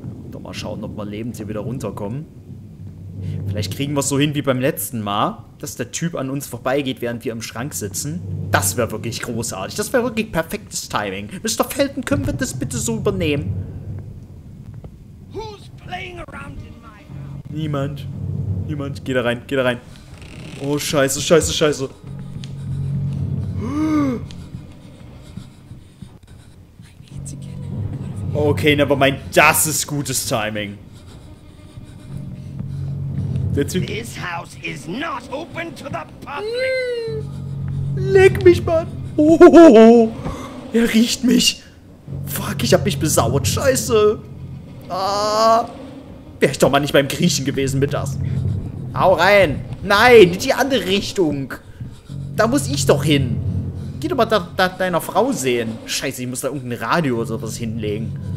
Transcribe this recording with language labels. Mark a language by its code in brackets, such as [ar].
[de] Doch mal schauen, ob wir lebend hier wieder runterkommen. Vielleicht kriegen wir es so hin wie beim letzten Mal, dass der Typ an uns vorbeigeht, während wir im Schrank sitzen. Das wäre wirklich großartig. Das wäre wirklich perfektes Timing. Mr. Felton, können wir das bitte so übernehmen? [en] Who's playing around in my house? [de] Niemand. Niemand. Geh da rein, geh da rein. Oh, scheiße, scheiße, scheiße. Okay, aber mein, das ist gutes Timing. Der Typ. [en] This house is not open to the public. [de] Leck mich, Mann. Oh, er riecht mich. Fuck, ich hab mich besauert. Scheiße. Ah. Wäre ich doch mal nicht beim Griechen gewesen mit das. Hau rein. Nein, in die andere Richtung. Da muss ich doch hin. Geh doch mal da deiner Frau sehen. Scheiße, ich muss da irgendein Radio oder sowas hinlegen.